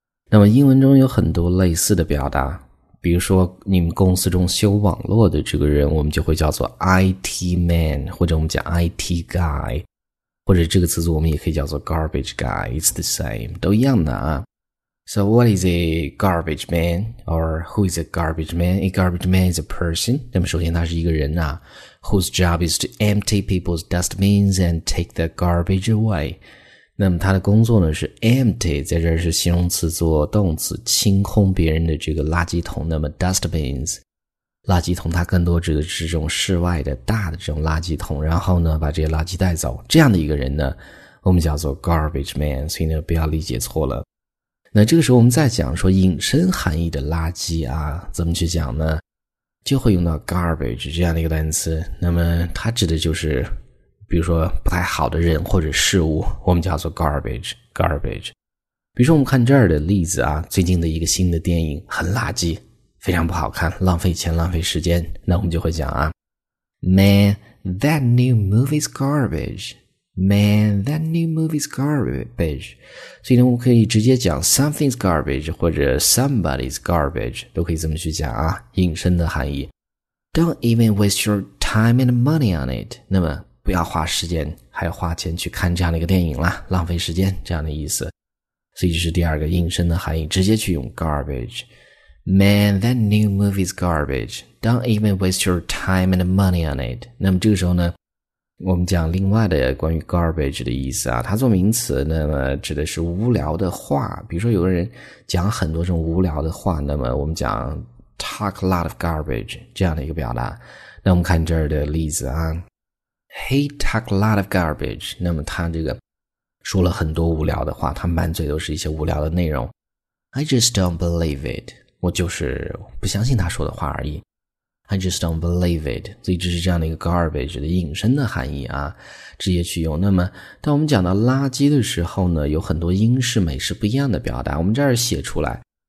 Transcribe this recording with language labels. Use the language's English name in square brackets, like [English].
[Chinese] 那么英文中有很多类似的表达，比如说你们公司中修网络的这个人，我们就会叫做 IT man， 或者我们讲 IT guy。或者这个词组我们也可以叫做 garbage guy， [English] it's the same， [Chinese] 都一样的啊。 [English] So what is a garbage man? Or who is a garbage man? A garbage man is a person， [Chinese] 那么首先他是一个人啊， [English] whose job is to empty people's dustbins and take the garbage away。 [Chinese] 那么他的工作呢是 empty， 在这儿是形容词做动词，清空别人的这个垃圾桶。那么 dustbins垃圾桶它更多指的是这种室外的大的这种垃圾桶，然后呢把这些垃圾带走，这样的一个人呢我们叫做 garbage man， 所以呢不要理解错了。那这个时候我们再讲说引申含义的垃圾啊，怎么去讲呢，就会用到 garbage 这样的一个单词。那么它指的就是比如说不太好的人或者事物，我们叫做 garbage。比如说我们看这儿的例子啊，最近的一个新的电影很垃圾，非常不好看，浪费钱浪费时间，那我们就会讲啊， [English] Man, that new movie's garbage. Man, that new movie's garbage. [Chinese] 所以呢我们可以直接讲 [English] something's garbage [Chinese] 或者 [English] somebody's garbage， [Chinese] 都可以这么去讲啊，引申的含义。 [English] Don't even waste your time and money on it. [Chinese] 那么不要花时间还花钱去看这样的一个电影啦，浪费时间，这样的意思。所以这是第二个引申的含义，直接去用 garbage。 [English] Man, that new movie's garbage. Don't even waste your time and money on it. [Chinese] 那么这个时候呢，我们讲另外的关于 garbage 的意思啊，它做名词那么指的是无聊的话。比如说有个人讲很多这种无聊的话，那么我们讲 [English] talk a lot of garbage [Chinese] 这样的一个表达。那我们看这儿的例子啊， [English] He talk a lot of garbage. [Chinese] 那么他这个说了很多无聊的话，他满嘴都是一些无聊的内容。 [English] I just don't believe it. [Chinese] 我就是不相信他说的话而已。 [English] I just don't believe it， [Chinese] 所以这是这样的一个 garbage 的引申的含义啊，直接去用。那么当我们讲到垃圾的时候呢，有很多英式美式不一样的表达，我们这儿写出来。